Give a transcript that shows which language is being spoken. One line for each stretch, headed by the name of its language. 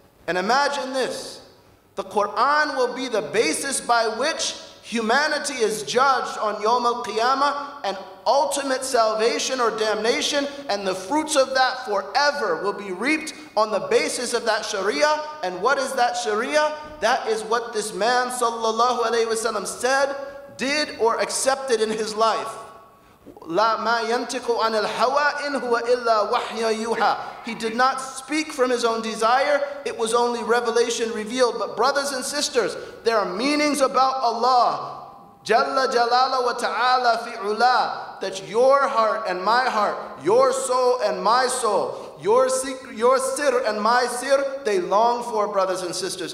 English: And imagine this, the Quran will be the basis by which humanity is judged on Yawm al-Qiyamah, and ultimate salvation or damnation, and the fruits of that forever will be reaped on the basis of that Sharia. And what is that Sharia? That is what this man sallallahu alayhi wa sallam said, did, or accepted in his life.
Arabic: لا ما ينطق عن الهوى إن هو إلا وحي يوحى.
English: He did not speak from his own desire, it was only revelation revealed. But brothers and sisters, there are meanings about Allah Jalla Jalala wa Ta'ala fi'ula, that your heart and my heart, your soul and my soul, your sir and my sir, they long for, brothers and sisters.